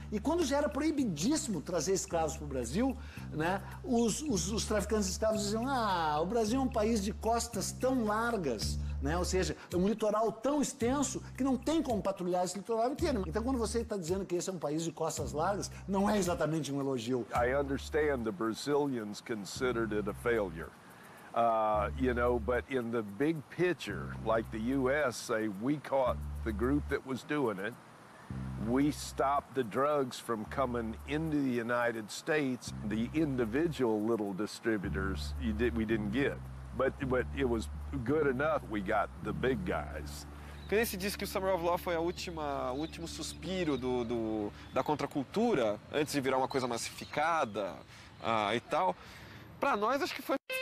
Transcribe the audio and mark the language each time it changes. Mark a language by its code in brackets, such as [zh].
[pt] E quando já era proibidíssimo trazer escravos para o Brasil, né, os traficantes de escravos diziam: ah, o Brasil é um país de costas tão largas, né? Ou seja, é um litoral tão extenso que não tem como patrulhar esse litoral inteiro. Então, quando você está dizendo que esse é um país de costas largas, não é exatamente um elogio. [en] I understand the Brazilians considered it a failure. But in the big picture, like the U.S., say, we caught the group that was doing it, we stopped the drugs from coming into the United States, the individual little distributors we didn't get. But it was good enough we got the big guys. [pt] Que nem se diz que o Summer of Law foi o último suspiro da contracultura, antes de virar uma coisa massificada e tal, pra nós acho que foi...